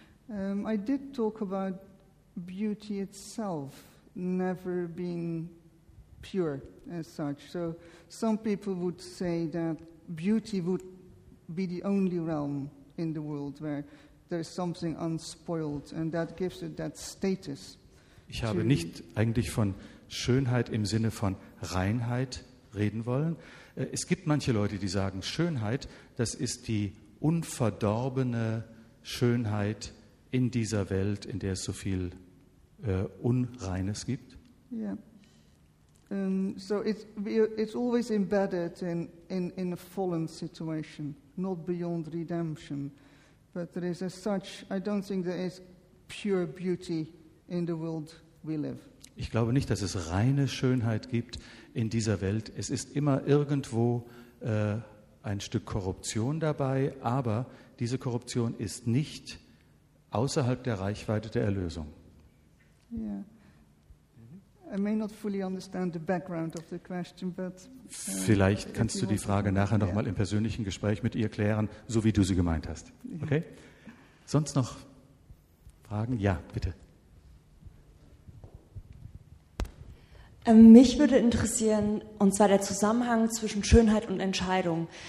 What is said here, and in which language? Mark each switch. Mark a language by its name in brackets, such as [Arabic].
[English] I did talk about beauty itself never being pure as such. So some people would say that beauty would be the only realm in the world where there is something unspoiled and that gives it that status. [German] Ich habe nicht eigentlich von Schönheit im Sinne von Reinheit reden wollen. Es gibt manche Leute, die sagen, Schönheit, das ist die unverdorbene Schönheit in dieser Welt, in der es so viel Unreines gibt. [English] Yeah. So it's always embedded in a fallen situation, not beyond redemption. But there is as such, I don't think there is pure beauty in the world we live. [German] Ich glaube nicht, dass es reine Schönheit gibt in dieser Welt. Es ist immer irgendwo ein Stück Korruption dabei, aber diese Korruption ist nicht außerhalb der Reichweite der Erlösung. [English] Yeah. I may not fully understand the background of the question, but [German] vielleicht kannst du die Frage nachher nochmal im persönlichen Gespräch mit ihr klären, so wie du sie gemeint hast. Okay? Sonst noch Fragen? Ja, bitte. Mich würde interessieren, und zwar der Zusammenhang zwischen Schönheit und Entscheidung.